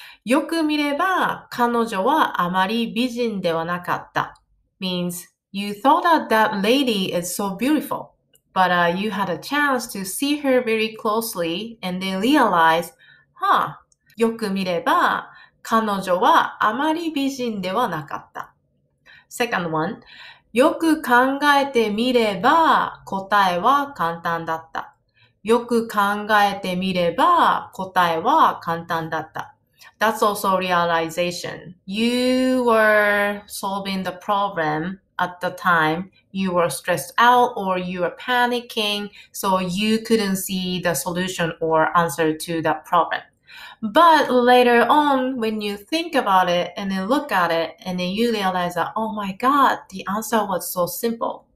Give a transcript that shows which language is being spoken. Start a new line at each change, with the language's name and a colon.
Japanese: よく見れば彼女はあまり美人ではなかった。
English: Means, you thought that that lady is so beautiful. But, you had a chance to see her very closely and they realized, huh,
Japanese: よく見れば彼女はあまり美人ではなかった。
English: Second one,
Japanese: よく考えてみれば答えは簡単だった。よく考えてみれば答えは簡単だった。
English: That's also realization. You were solving the problem at the time. You were stressed out or you were panicking, so you couldn't see the solution or answer to that problem. But later on, when you think about it and then look at it, and then you realize that, oh my God, the answer was so simple.